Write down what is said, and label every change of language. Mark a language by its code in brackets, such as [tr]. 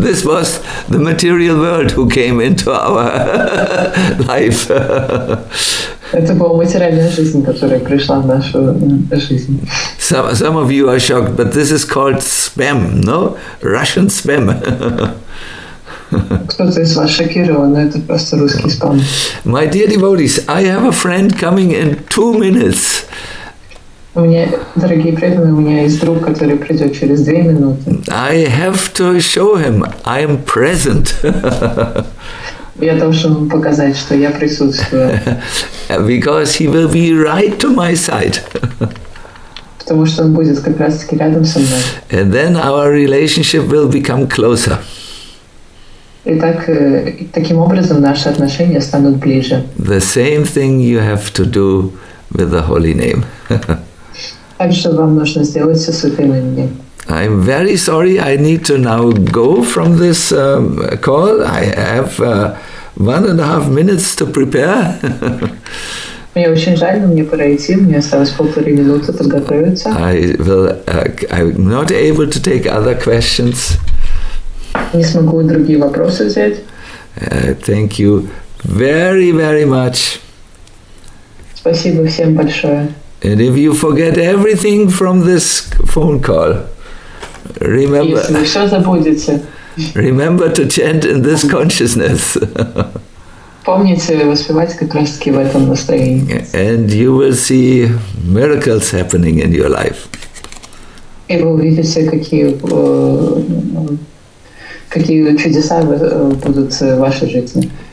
[en] This was the material world who came into our life. [ru] Это была материальная жизнь, которая пришла в нашу жизнь. [en] Some of you are shocked, but this is called spam, no? Russian spam. [ru] Кто-то из вас шокирован, но это просто русский спам. [en] My dear devotees, I have a friend coming in 2 minutes. [ru] У меня, дорогие преданные, у меня есть друг, который придет через 2 минуты. [en] I have to show him I am present. [ru] Я должен ему показать, что я присутствую. [en] Because he will be right to my side. [ru] Потому что он будет как раз таки рядом со мной. [en] And then our relationship will become closer. [ru] И так, таким образом наши отношения станут ближе. [en] The same thing you have to do with the holy name. [ru] Также вам нужно сделать со святым именем. [en] I'm very sorry, I need to now go from this call. I have 1.5 minutes to prepare. [ru] Мне очень жаль, но мне пора идти, мне осталось 1.5 минуты подготовиться. [en] I'm not able to take other questions. [ru] Не смогу другие вопросы взять. [en] Thank you very, very much. [ru] Спасибо всем большое. [en] And if you forget everything from this phone call, remember. [ru] Если вы все забудете. [en] Remember to chant in this consciousness. [ru] Помните воспевать как раз таки в этом настроении. [en] And you will see miracles happening in your life. [ru] И вы увидите, какие чудеса будут в вашей жизни.